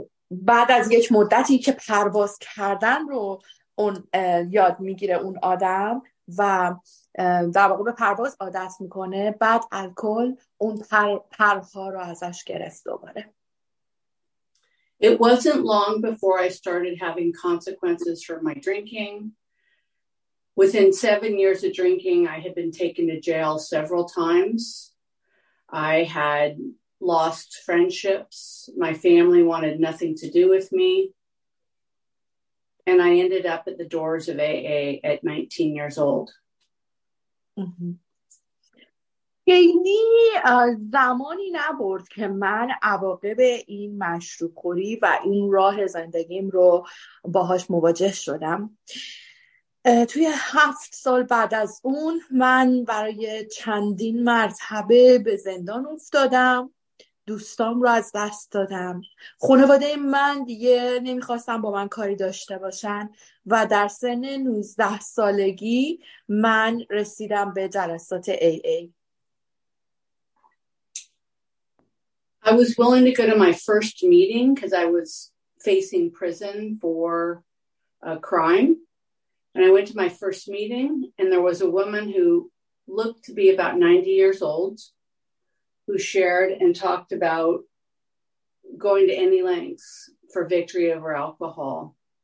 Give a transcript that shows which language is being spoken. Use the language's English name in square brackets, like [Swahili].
[Persian] بعد از یک مدتی که پرواز کردن رو اون یاد میگیره اون آدم و در واقع به پرواز عادت میکنه، بعد الکل اون پرها رو ازش گرفت دوباره. [English] It wasn't long before I started having consequences for my drinking. Within 7 years of drinking, I had been taken to jail several times. I had lost friendships. My family wanted nothing to do with me. And I ended up at the doors of AA at 19 years old. [Persian] خیلی زمانی نبرد که من عواقب این مشروب‌خوری و این راه زندگیم رو باهاش مواجه شدم. توی 7 سال بعد از اون من برای چندین مرتبه به زندان افتادم، دوستام رو از دست دادم، خانواده من دیگه نمیخواستن با من کاری داشته باشن و در سن 19 سالگی من رسیدم به جلسات AA. [English] I was willing to go to my first meeting because I was facing prison for a crime. And I went to my first meeting and there was a woman who looked to be about 90 years old who shared and talked about going to any lengths for victory over alcohol.